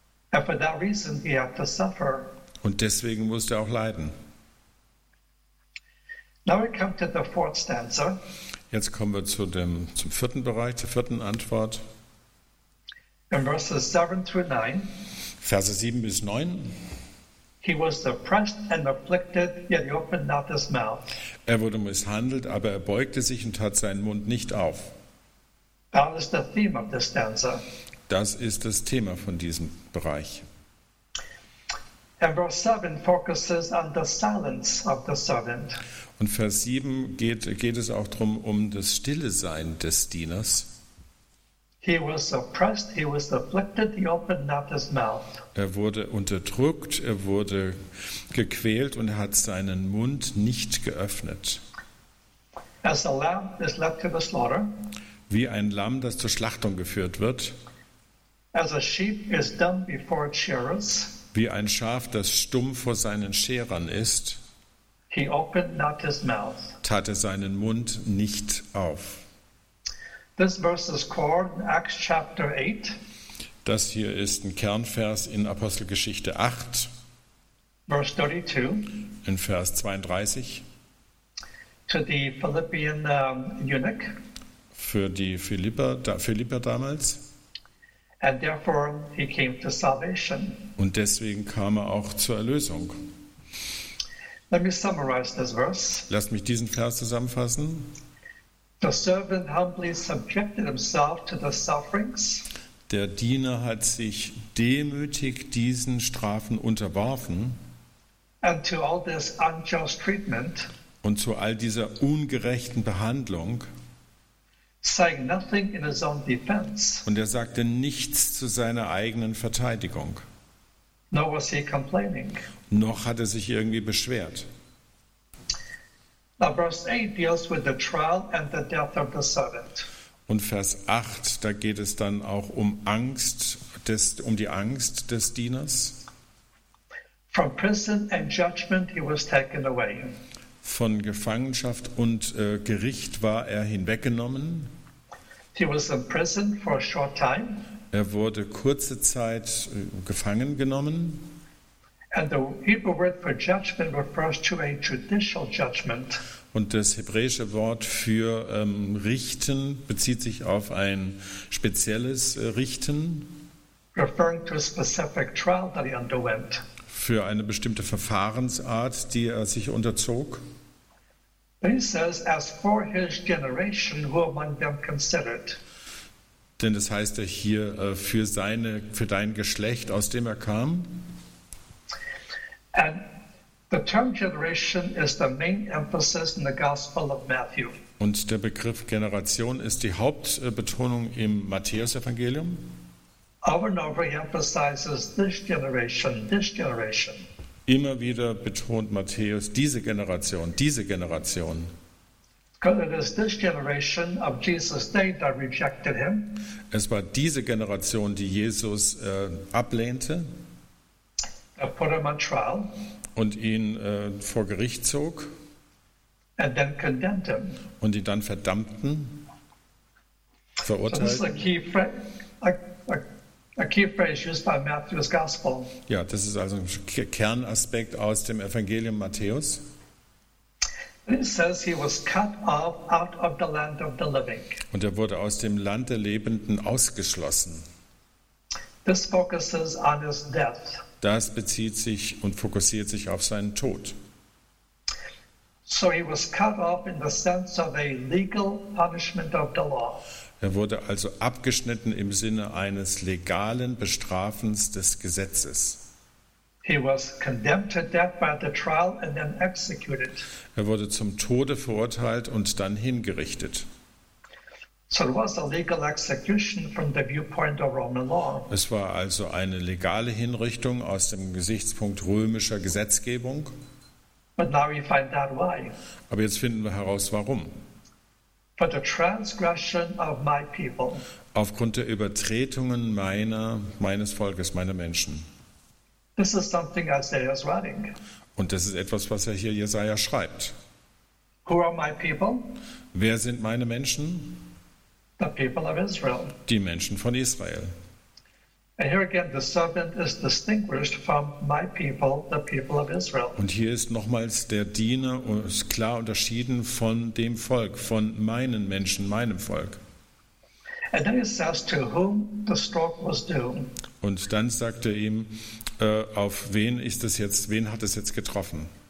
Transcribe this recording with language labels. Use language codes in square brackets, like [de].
[en] And for that reason he had to suffer. [de] Und deswegen musste er auch leiden. [en] Now we come to the fourth stanza. [de] Jetzt kommen wir zum vierten Bereich, zur vierten Antwort. [en] In verses 7 through 9. [de] Verse 7 bis 9. [en] He was oppressed and afflicted, yet he opened not his mouth. [de] Er wurde misshandelt, aber er beugte sich und tat seinen Mund nicht auf. [en] That is the theme of this stanza. [de] Das ist das Thema von diesem Bereich. [en] And verse 7 focuses on the silence of the servant. [de] Und Vers 7 geht es auch darum, um das stille Sein des Dieners. [en] He was oppressed, he was afflicted, he opened not his mouth. [de] Er wurde unterdrückt, er wurde gequält und er hat seinen Mund nicht geöffnet. [en] As a lamb is led to the slaughter. [de] Wie ein Lamm, das zur Schlachtung geführt wird. [en] As a sheep is dumb before its shearers. [de] Wie ein Schaf, das stumm vor seinen Scherern ist. [en] He opened not his mouth. [de] Tat er seinen Mund nicht auf. [en] This verse is called Acts chapter 8. [de] Das hier ist ein Kernvers in Apostelgeschichte 8. [en] Verse 32. [de] In Vers 32. [en] To the Philippian eunuch. [de] Für die Philipper damals. [en] And therefore he came to salvation. [de] Und deswegen kam er auch zur Erlösung. [en] Let me summarize this verse. [de] Lasst mich diesen Vers zusammenfassen. [en] The servant humbly subjected himself to the sufferings. [de] Der Diener hat sich demütig diesen Strafen unterworfen. [en] And to all this unjust treatment. [de] Und zu all dieser ungerechten Behandlung. [en] Saying nothing in his own defense. [de] Und er sagte nichts zu seiner eigenen Verteidigung. [en] Nor was he complaining. [de] Noch hat er sich irgendwie beschwert. [en] Now verse 8 deals with the trial and the death of the servant. [de] Und Vers 8, da geht es dann auch um die Angst des Dieners. [en] From prison and judgment he was taken away. [de] Von Gefangenschaft und Gericht war er hinweggenommen. [en] He was in prison for a short time. [de] Er wurde kurze Zeit gefangen genommen. [en] And the Hebrew word for judgment refers to a judicial judgment. [de] Und das hebräische Wort für richten bezieht sich auf ein spezielles Richten. [en] Referring to a specific trial that he underwent. [de] Für eine bestimmte Verfahrensart, die er sich unterzog. [en] He says, as for his generation, who among them considered? [de] Denn das heißt er hier für dein Geschlecht, aus dem er kam. [en] And the term generation is the main emphasis in the Gospel of Matthew. [de] Und der Begriff Generation ist die Hauptbetonung im Matthäusevangelium. [en] Over and over he emphasizes this generation, this generation. [de] Immer wieder betont Matthäus diese Generation, diese Generation. [en] Because it is this generation of Jesus' day that rejected him. [de] Es war diese Generation, die Jesus ablehnte. [en] That put him on trial. [de] Und ihn vor Gericht zog. [en] And then condemned him. [de] Und ihn dann verdammten, verurteilten. [en] So this is a key phrase used by Matthew's Gospel. [de] Ja, das ist also ein Kernaspekt aus dem Evangelium Matthäus. [en] It says he was cut off out of the land of the living. [de] Und wurde aus dem Land der Lebenden ausgeschlossen. [en] This focuses on his death. [de] Das bezieht sich und fokussiert sich auf seinen Tod. [en] So he was cut off in the sense of a legal punishment of the law. [de] Wurde also abgeschnitten im Sinne eines legalen Bestrafens des Gesetzes. [en] He was condemned to death by the trial and then executed. [de] Wurde zum Tode verurteilt und dann hingerichtet. [en] So it was a legal execution from the viewpoint of Roman law. [de] Es war also eine legale Hinrichtung aus dem Gesichtspunkt römischer Gesetzgebung. [en] But now we find out why. [de] Aber jetzt finden wir heraus, warum. [en] For the transgression of my people. [de] Aufgrund der Übertretungen meines Volkes, meiner Menschen. [en] This is something Isaiah is writing. [de] Und das ist etwas, was er hier Jesaja schreibt. [en] Who are my people? [de] Wer sind meine Menschen? [en] The people of Israel. [de] Die Menschen von Israel. [en] And here again, the servant is distinguished from my people, the people of Israel. [de] Und hier ist nochmals der Diener ist klar unterschieden von dem Volk, von meinen Menschen, meinem Volk. [en] And then he says, to whom the stroke was due. [de] Und dann sagt er ihm, auf wen ist es jetzt, wen hat es jetzt getroffen?